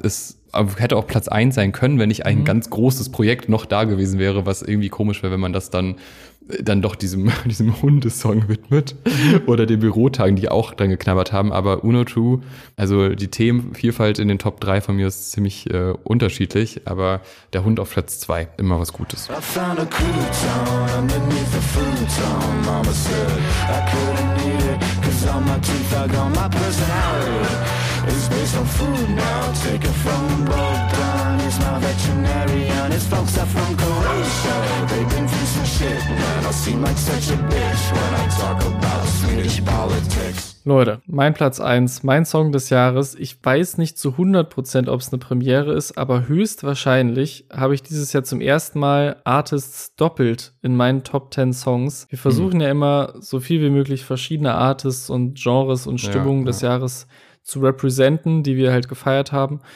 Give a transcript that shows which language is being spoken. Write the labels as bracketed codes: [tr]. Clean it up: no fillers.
[de] Es hätte auch Platz 1 sein können, wenn nicht ein ganz großes Projekt noch da gewesen wäre, was irgendwie komisch wäre, wenn man das dann doch diesem Hundesong widmet oder den Bürotagen, die auch dran geknabbert haben. Aber Uno 2, also die Themenvielfalt in den Top 3 von mir ist ziemlich unterschiedlich, aber der Hund auf Platz 2, immer was Gutes. [en] I found a cool town underneath the food town. Mama said I couldn't eat it, cause all my teeth are gone. My personality is based on food now. Take it from Bogdan, he's my veterinarian. His folks are from Croatia, they've been through some shit. Man, I seem like such a bitch when I talk about Swedish politics. [de] Leute, mein Platz 1, mein Song des Jahres. Ich weiß nicht zu 100%, ob es eine Premiere ist, aber höchstwahrscheinlich habe ich dieses Jahr zum ersten Mal Artists doppelt in meinen Top 10 Songs. Wir versuchen ja immer, so viel wie möglich verschiedene Artists und Genres und Stimmungen des Jahres zu representen, die wir halt gefeiert haben.